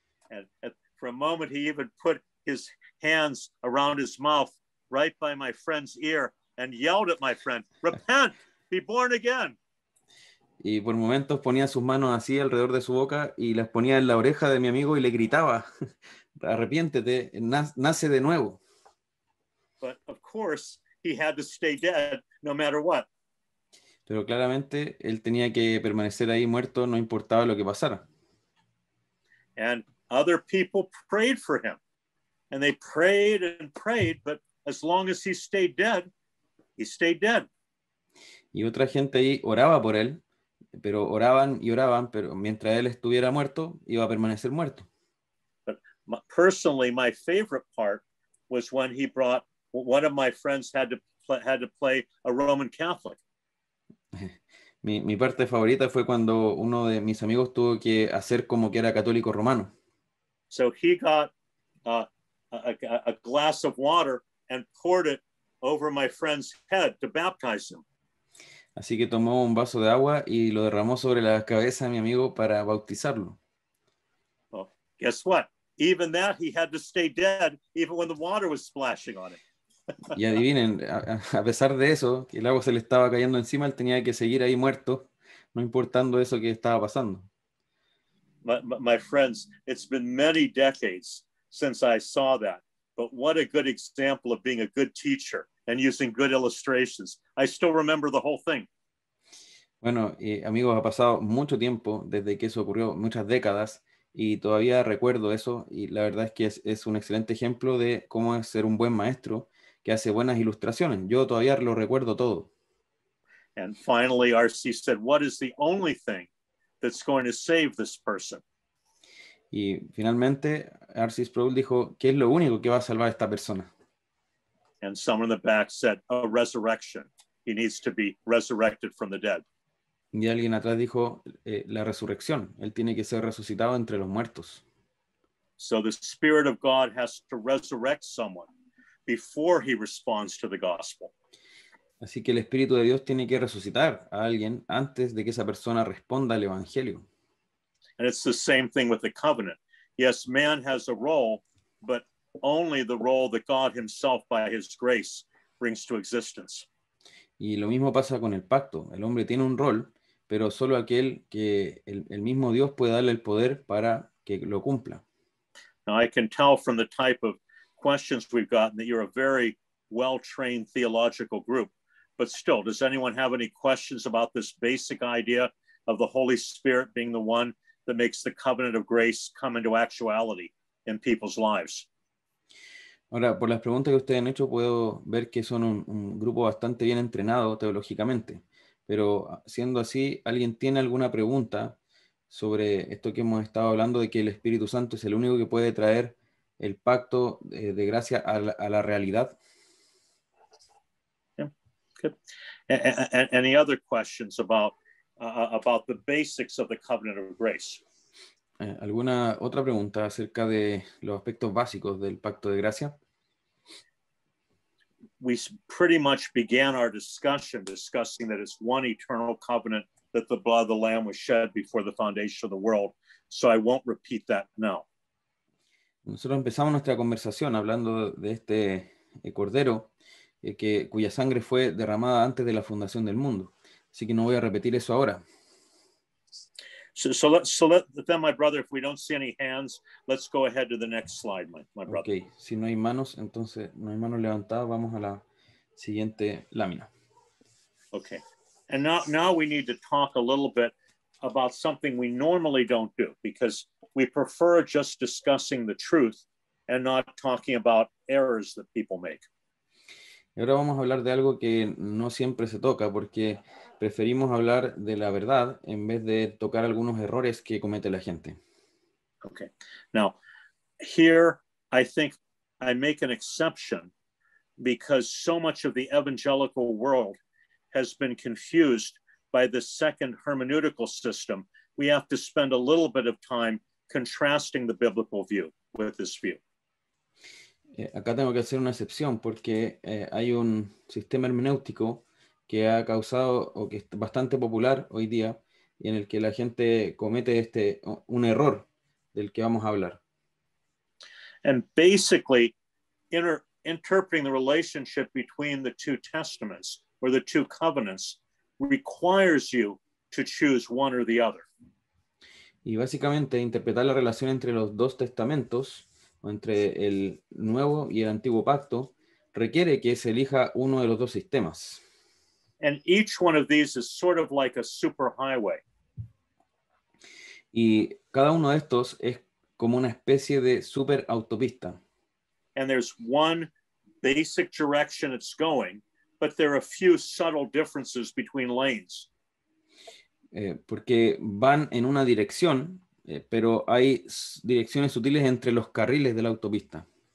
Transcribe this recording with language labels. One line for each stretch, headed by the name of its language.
English: And for a moment he even put his hands around his mouth, right by my friend's ear, and yelled at my friend, repent, be born again.
Spanish: Y por momentos ponía sus manos así alrededor de su boca y las ponía en la oreja de mi amigo y le gritaba, arrepiéntete, nace de nuevo.
English: But of course, he had to stay dead no matter what.
Spanish: Pero claramente él tenía que permanecer ahí muerto no importaba lo que pasara.
English: And other people prayed for him. And they prayed and prayed, but as long as he stayed dead, he stayed dead.
Spanish: Y otra gente ahí oraba por él, pero oraban y oraban, pero mientras él estuviera muerto, iba a permanecer muerto.
English: But personally, my favorite part was when he brought one of my friends had to play a Roman Catholic.
Spanish: Mi parte favorita fue cuando uno de mis amigos tuvo que hacer como que era católico romano.
English: So he got a glass of water and poured it over my friend's head to baptize him.
Spanish: Así que tomó un vaso de agua y lo derramó sobre la cabeza de mi amigo para bautizarlo.
English: Well, guess what? Even that, he had to stay dead even when the water was splashing on him.
Spanish: Y adivinen, a pesar de eso, que el agua se le estaba cayendo encima, él tenía que seguir ahí muerto, no importando eso que estaba pasando.
English: My friends, it's been many decades since I saw that, but what a good example of being a good teacher and using good illustrations. I still remember the whole thing.
Spanish: Bueno, amigos, ha pasado mucho tiempo desde que eso ocurrió, muchas décadas, y todavía recuerdo eso, y la verdad es que es un excelente ejemplo de cómo es ser un buen maestro, que hace buenas ilustraciones. Yo todavía lo recuerdo todo.
English: And finally, RC said, what is the only thing that's going to save this person?
Spanish: Y finalmente, RC Sproul dijo, ¿qué es lo único que va a salvar a esta persona?
English: And someone in the back said, a resurrection. He needs to be resurrected from the dead.
Spanish: Y alguien atrás dijo, la resurrección. Él tiene que ser resucitado entre los muertos.
English: So the Spirit of God has to resurrect someone before he responds to the gospel.
Spanish: Así que el Espíritu de Dios tiene que resucitar a alguien antes de que esa persona responda al Evangelio.
English: And it's the same thing with the covenant. Yes, man has a role, but only the role that God himself, by his grace, brings to existence.
Spanish: Y lo mismo pasa con el pacto. El hombre tiene un rol, pero solo aquel que el mismo Dios puede darle el poder para que lo cumpla.
English: Now I can tell from the type of questions we've gotten that you're a very well-trained theological group, but still, does anyone have any questions about this basic idea of the Holy Spirit being the one that makes the covenant of grace come into actuality in people's lives?
Spanish: Ahora, por las preguntas que ustedes han hecho, puedo ver que son un grupo bastante bien entrenado teológicamente, pero siendo así, ¿alguien tiene alguna pregunta sobre esto que hemos estado hablando de que el Espíritu Santo es el único que puede traer el pacto de gracia a la realidad?
English: Yeah, good. Any other questions about the basics of the covenant of grace?
Spanish: ¿Alguna otra pregunta acerca de los aspectos básicos del pacto de gracia?
English: We pretty much began our discussing that it's one eternal covenant, that the blood of the Lamb was shed before the foundation of the world. So I won't repeat that now.
Spanish: Nosotros empezamos nuestra conversación hablando de este cordero, cuya sangre fue derramada antes de la fundación del mundo. Así que no voy a repetir eso ahora.
English: So, my brother, if we don't see any hands, let's go ahead to the next slide, my brother.
Spanish: Okay, si no hay manos, entonces no hay manos levantadas, vamos a la siguiente lámina.
English: Okay, and now we need to talk a little bit about something we normally don't do, because we prefer just discussing the truth and not talking about errors that people make.
Spanish: Ahora vamos a hablar de algo que no siempre se toca, porque preferimos hablar de la verdad en vez de tocar algunos errores que comete la gente.
English: Okay. Now, here I think I make an exception because so much of the evangelical world has been confused by the second hermeneutical system. We have to spend a little bit of time contrasting the biblical view with this view.
Spanish: Acá tengo que hacer una excepción porque hay un sistema hermenéutico que ha causado o que es bastante popular hoy día y en el que la gente comete un error del que vamos a hablar.
English: And basically, interpreting the relationship between the two testaments or the two covenants requires you to choose one or the other.
Spanish: Y básicamente, interpretar la relación entre los dos testamentos o entre el nuevo y el antiguo pacto requiere que se elija uno de los dos sistemas.
English: And each one of these is sort of like a superhighway.
Spanish: Y cada uno de estos es como una especie de superautopista.
English: And there's one basic direction it's going, but there are a few subtle differences between lanes.
Spanish: Porque van en una dirección, pero hay direcciones sutiles entre los carriles de la autopista.